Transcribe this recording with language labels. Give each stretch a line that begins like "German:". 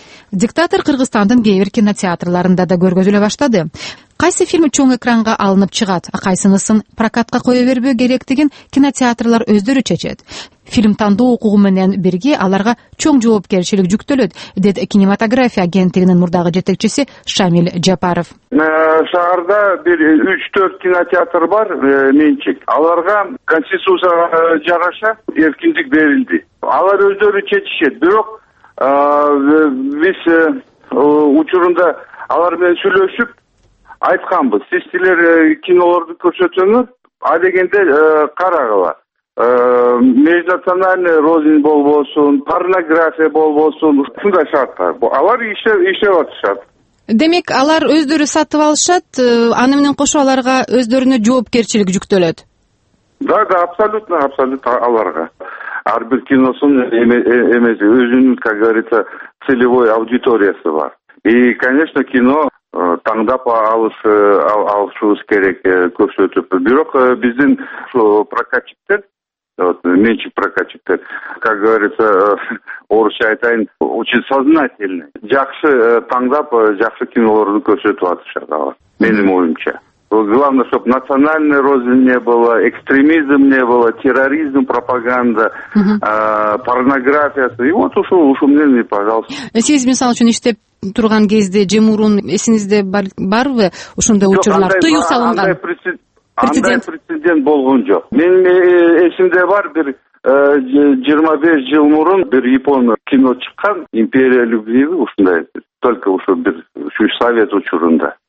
Kyrgyz: Диктатор Кыргызстандын кээ бир кинотеатрларында да көргөзүлө баштады. Кайсы фильм чоң экранга алынып чыгат, а кайсынысын прокатка кое бербөө керектигин кинотеатрлар өздөрү чечет. Фильм тандоо укугу менен бирге аларга чоң жоопкерчилик жүктөлөт, деди кинематография агенттигинин мурдагы жетекчиси Шамил Жапаров. Шаарда 3-4 кинотеатр бар, менчик. Аларга конституцияга жараша эркиндик берилди. Алар өздөрү чечишет, бирок биз учурунда алар менен сүйлөшүп айтканбыз, сиз силер кинолорду көрсөтсөңүз, а дегенде карагыла.
Russian: Межнациональный розинь
Kyrgyz: болбосун, порнография болбосун, ушундай шарттар. Алар иштеп атышат. Демек, алар өздөрү сатып алышат, аны менен кошо аларга өздөрүнө жоопкерчилик жүктөлөт.
Russian: Да, абсолютно
Kyrgyz: аларга. Ар бир киносун эмеси өзүнүн,
Russian: как говорится, целевой
Kyrgyz: аудиториясы бар.
Russian: И, конечно,
Kyrgyz: кино таңдап алышыбыз керек көрсөтүп. Бирок биздин прокатчиктер, менчик прокатчиктер,
Russian: как говорится,
Kyrgyz: орусча айтайын,
Russian: очень сознательный.
Kyrgyz: Жакшы таңдап, жакшы кинолорду көрсөтүп атышат алар, менин оюмча.
Russian: Главное, чтобы национальная розвинь не было, экстремизм не было, терроризм, пропаганда, порнография. И вот ушу мне, пожалуйста.
Kyrgyz: Сиз мисал үчүн иштеп турган кезде же мурун эсиңизде барбы ушундай учурлар тыюу салынган? Андай прецедент болгон жок. Мен эсимде бар, бир 25 жыл мурун бир япон кино чыккан,
Russian: «Империя любви»,
Kyrgyz: ушундай, только ушул бир совет учурунда.